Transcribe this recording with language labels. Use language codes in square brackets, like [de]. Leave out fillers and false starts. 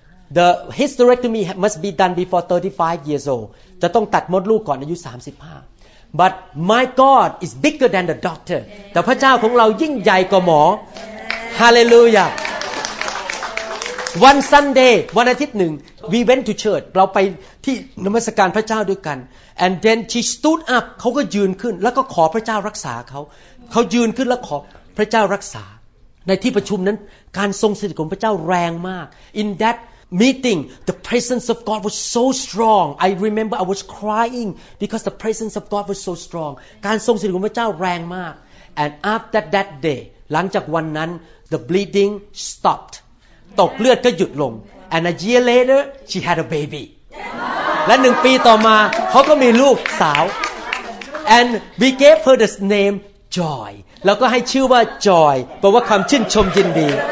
[en] The hysterectomy must be done before 35 years old. [th] จะต้องตัดมดลูกก่อนอายุ35. [en] But my God is bigger than the doctor. [th] แต่พระเจ้าของเรายิ่งใหญ่กว่าหมอ Hallelujah. [en] One Sunday, [th] วันอาทิตย์หนึ่ง [en] we went to church. [th] เราไปที่นมัสการพระเจ้าด้วยกัน [en] And then she stood up. [th] เขาก็ยืนขึ้นแล้วก็ขอพระเจ้ารักษาเขา mm-hmm. เขายืนขึ้นแล้วขอพระเจ้ารักษาในที่ประชุมนั้นการทรงสถิตของพระเจ้าแรงมาก [en] In that meeting, the presence of God was so strong. I remember I was crying because the presence of God was so strong. Mm-hmm. [th] การทรงสถิตของพระเจ้าแรงมาก [en] And after that day, [th] หลังจากวันนั้น [en] the bleeding stopped. [th] ตกเลือดก็หยุดลง [en] and a year later she had a baby [th] และหนึ่งปีต่อมาเขาก็มีลูกสาว [en] and we gave her the name joy [th] แล้วก็ให้ชื่อว่า joy แปลว่าความชื่นชมยินดี